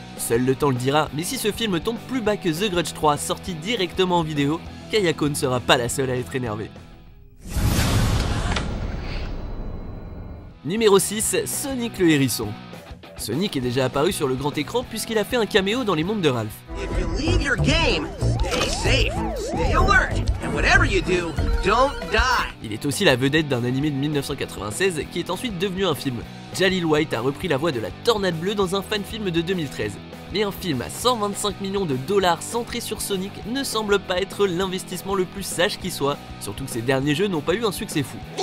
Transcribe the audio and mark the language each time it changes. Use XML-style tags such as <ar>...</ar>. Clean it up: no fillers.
<fr>Seul le temps le dira, mais si ce film tombe plus bas que The Grudge 3 sorti directement en vidéo, Kayako ne sera pas la seule à être énervée. Numéro 6, Sonic le Hérisson. Sonic est déjà apparu sur le grand écran puisqu'il a fait un caméo dans les mondes de Ralph.</fr> <en>If you leave your game, stay safe, stay alert, and whatever you do, don't die.</en> <fr>Il est aussi la vedette d'un animé de 1996 qui est ensuite devenu un film. Jaleel White a repris la voix de la Tornade Bleue dans un fan-film de 2013. Mais un film à 125 millions de dollars centré sur Sonic ne semble pas être l'investissement le plus sage qui soit, surtout que ses derniers jeux n'ont pas eu un succès fou.</fr>